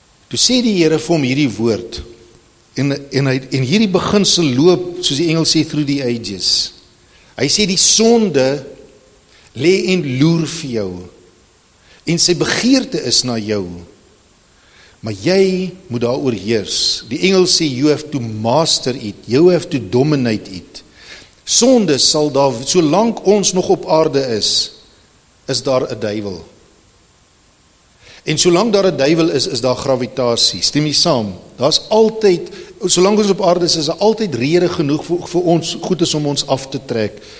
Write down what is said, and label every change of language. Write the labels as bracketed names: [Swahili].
[Afrikaans] Toe sê die Here vir hom hierdie woord. En hierdie beginsel loop, soos die Engels sê, [English] through the ages. [Afrikaans] Hy sê die sonde lê en loer vir jou. En sy begeerte is na jou. Maar jy moet daar oor heers. Die Engels sê, [English] you have to master it. You have to dominate it. [Afrikaans] Sonde sal daar, solank ons nog op aarde is, is daar 'n duivel. En solang daar 'n duivel is, is daar gravitasie. Stem jy saam? Daar is altyd, solang ons op aarde is, is daar altyd rede genoeg vir ons, goed is om ons af te trek.